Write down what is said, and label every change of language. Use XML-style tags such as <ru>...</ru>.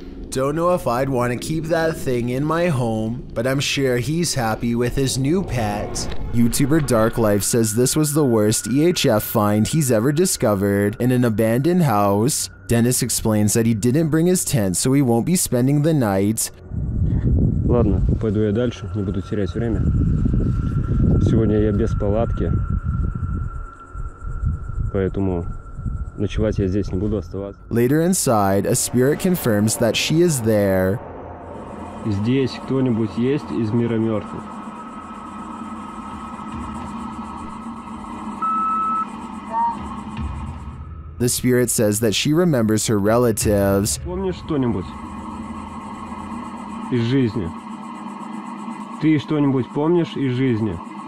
<en>Don't know if I'd want to keep that thing in my home, but I'm sure he's happy with his new pet. YouTuber Darklife says this was the worst EHF find he's ever discovered in an abandoned house. Dennis explains that he didn't bring his tent, so he won't be spending the night.</en> <ru>Ладно, пойду я дальше, не буду терять время. Сегодня я без палатки, поэтому.</ru> <en>Later inside, a spirit confirms that she is there.</en> <ru>Здесь кто-нибудь есть из мира мертвых?</ru> <en>The spirit says that she remembers her relatives.</en> <ru>Помнишь что-нибудь из жизни? Ты что-нибудь помнишь из жизни?</ru>